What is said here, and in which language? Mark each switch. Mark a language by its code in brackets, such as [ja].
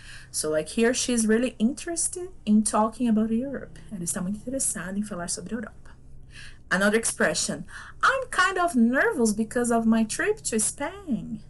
[en] So, like here, she's really interested in talking about Europe. [pt] Ela está muito interessada em falar sobre a Europa. [en] Another expression. I'm kind of nervous because of my trip to Spain.